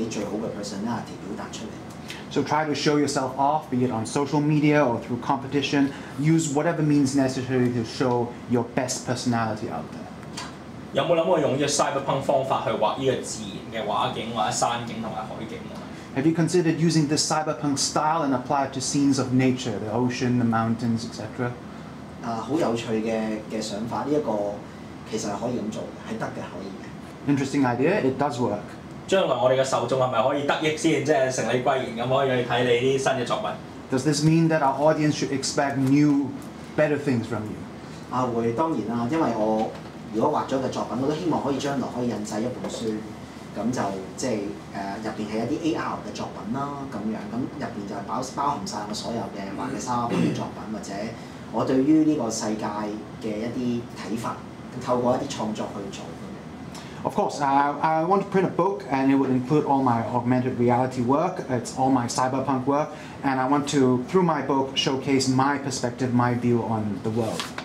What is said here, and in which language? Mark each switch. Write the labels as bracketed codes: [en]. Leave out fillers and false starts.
[zh] 想辦法表現自己,用任何方法,例如社交平台也好,或者一些比賽,總之用任何方式去將自己最好的personality表達出來. [en] So try to show yourself off, be it on social media or through competition. Use whatever means necessary to show your best personality out there. [zh] 有沒有想過用cyberpunk方法去畫這個自然的畫景或者山景和海景? [en] Have you considered using this cyberpunk style and apply it to scenes of nature, the ocean, the mountains, etc.? [zh] 很有趣的想法,這個其實是可以這樣做的,是可以的。 [en] Interesting idea, it does work. [zh] 將來我們的受眾是否可以得益,成你歸然,可以去看你新的作品? [en] Does this mean that our audience should expect new, better things from you? [zh] 會,當然,因為我... 如果畫了一個作品,我都希望可以將來可以印製一本書,裡面是一些AR的作品,裡面包含了所有的畫的作品,或者我對於這個世界的一些看法,透過一些創作去做。 [en] Of course, I want to print a book and it would include all my augmented reality work, it's all my cyberpunk work, and I want to, through my book, showcase my perspective, my view on the world.